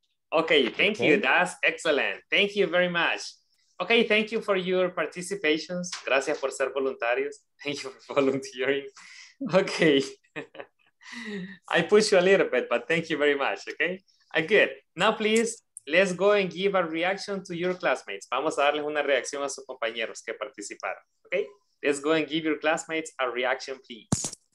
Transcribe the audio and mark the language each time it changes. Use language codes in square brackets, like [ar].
[en] Okay, thank you. That's excellent. Thank you very much. Okay, thank you for your participations. [es] Gracias por ser voluntarios. [en] Thank you for volunteering. Okay. I pushed you a little bit, but thank you very much, okay? Good. Now, please, let's go and give a reaction to your classmates. [es] Vamos a darles una reacción a sus compañeros que participaron, okay? [en] Let's go and give your classmates a reaction, please.